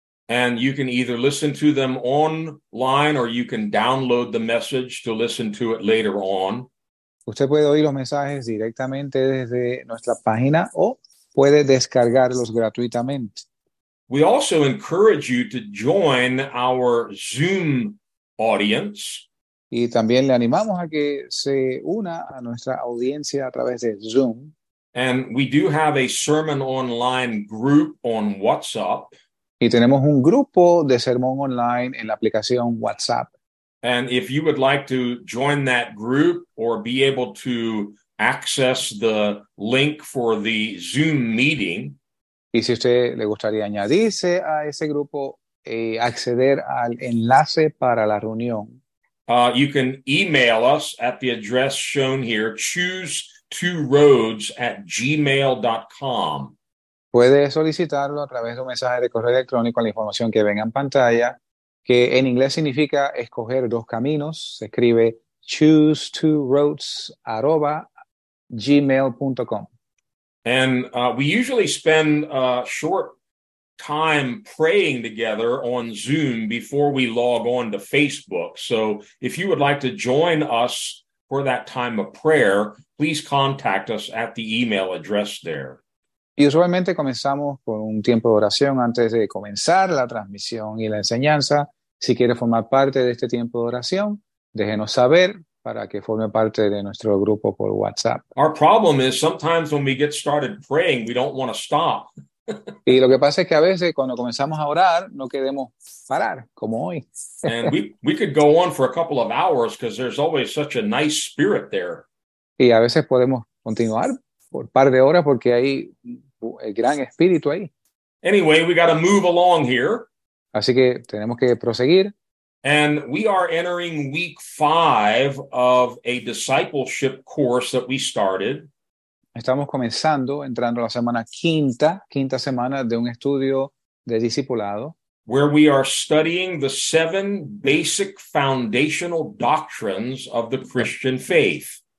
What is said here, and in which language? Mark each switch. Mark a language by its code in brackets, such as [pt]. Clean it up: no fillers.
[en] And you can either listen to them online or you can download the message to listen to it later on. [es] Usted puede oír los mensajes directamente desde nuestra página o puede descargarlos gratuitamente. [en] We also encourage you to join our Zoom audience. [es] Y también le animamos a que se una a nuestra audiencia a través de Zoom. [en] And we do have a Sermon Online group on WhatsApp. [es] Y tenemos un grupo de Sermón Online en la aplicación WhatsApp. [en] And if you would like to join that group or be able to access the link for the Zoom meeting, [es] y si usted le gustaría añadirse a ese grupo y acceder al enlace para la reunión, [en] you can email us at the address shown here, choose2roads@gmail.com. [es] Puede solicitarlo a través de un mensaje de correo electrónico a la información que venga en pantalla, que en inglés significa escoger dos caminos. Se escribe choose2roads@gmail.com. [en] And we usually spend a short time praying together on Zoom before we log on to Facebook. So if you would like to join us for that time of prayer, please contact us at the email address there. [es] Y usualmente comenzamos con un tiempo de oración antes de comenzar la transmisión y la enseñanza. Si quiere formar parte de este tiempo de oración, déjenos saber para que forme parte de nuestro grupo por WhatsApp. [en] Our problem is sometimes when we get started praying, we don't want to stop. [es] Y lo que pasa es que a veces cuando comenzamos a orar, no queremos parar, como hoy. [en] And we could go on for a couple of hours because there's always such a nice spirit there. [es] Y a veces podemos continuar por un par de horas porque hay el gran espíritu ahí. [en] Anyway, we got to move along here. [es] Así que tenemos que proseguir. [en] And we are entering week 5 of a discipleship course that we started. [es] Estamos comenzando, entrando la semana quinta semana de un estudio de discipulado. [en] Where we are studying the 7 basic foundational doctrines of the Christian faith.